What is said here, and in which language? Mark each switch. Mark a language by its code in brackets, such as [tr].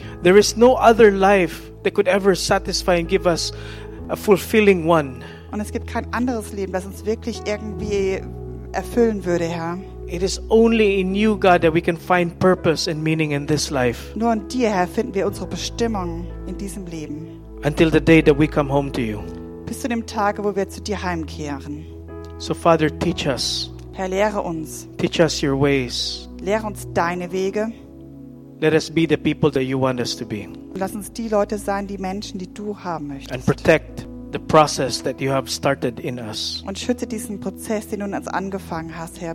[en] There is no other life that could ever satisfy and give us a fulfilling one. [de] Und es gibt kein anderes Leben, das uns wirklich irgendwie erfüllen würde, Herr. [en] It is only in you, God, that we can find purpose and meaning in this life. [de] Nur in dir, Herr, finden wir unsere Bestimmung in diesem Leben. [en] Until the day that we come home to you. [de] Bis zu dem Tage, wo wir zu dir heimkehren. [en] So, Father, teach us. [de] Herr, lehre uns. [en] Teach us your ways. [de] Lehre uns deine Wege. [en] Let us be the people that you want us to be. [de] Und lass uns die Leute sein, die Menschen, die du haben möchtest. [en] And protect the process that you have started in us. [de] Und schütze diesen Prozess, den du uns angefangen hast, Herr.